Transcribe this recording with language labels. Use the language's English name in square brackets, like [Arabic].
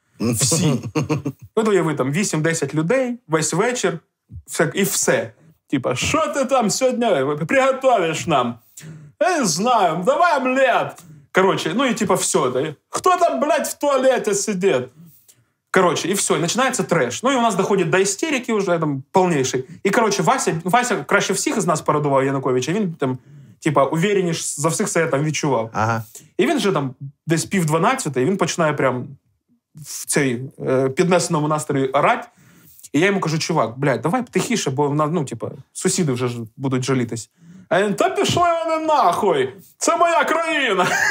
[Ukrainian] Всі. Ну, то є ви там 8-10 людей, весь вечір, і все. Типа, що ти там сьогодні приготовиш нам? Я не знаю, давай омлет. Короче, ну і типа все. Да? Хто там, блядь, в туалеті сидить? [Russian] Короче, и все, и начинается трэш. Ну, и у нас доходит до истерики уже, там, полнейшей. И, короче, Вася краще всех из нас порадовал Януковича. [Ukrainian] Він, там, типа, уверенніш за всех советом відчував. Ага. И він же, там, десь пів 12, и він починає прям в цей піднесеному настрої орать. [Russian] И я ему [Ukrainian] кажу, чувак, блядь, давай тихіше, бо, ну, типа, сусіди вже ж будуть жалітись. А він, та пішли вони нахуй! Це моя країна!